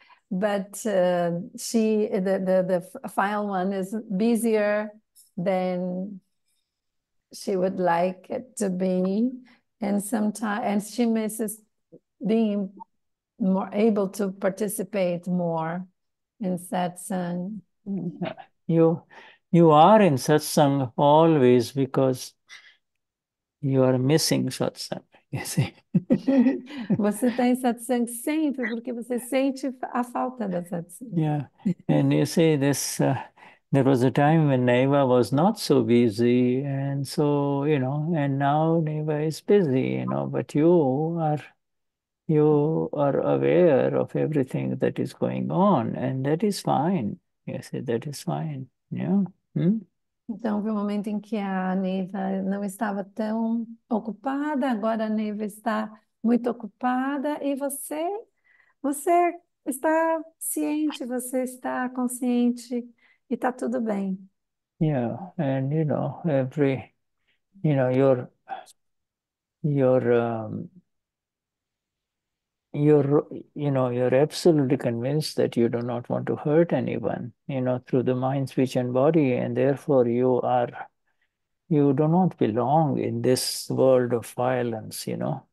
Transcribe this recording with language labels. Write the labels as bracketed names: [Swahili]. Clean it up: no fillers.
[English] But she, the final one is busier than she would like it to be, and sometimes she misses being more able to participate more in satsang. You are in satsang always because you are missing satsang, you see. [Portuguese] Você está em satsang sempre porque você sente a falta da satsang. [English] Yeah, and you see this, there was a time when Neiva was not so busy, and so, you know, and now Neiva is busy, you know, but you are aware of everything that is going on, and that is fine. Yes, that is fine. Yeah. [Portuguese] Então, foi um momento em que a Neiva não estava tão ocupada, agora a Neiva está muito ocupada e você está ciente, você está consciente e está tudo bem. [English] Yeah, and you know, every, you know, you're absolutely convinced that you do not want to hurt anyone, you know, through the mind, speech, and body, and therefore you do not belong in this world of violence, you know.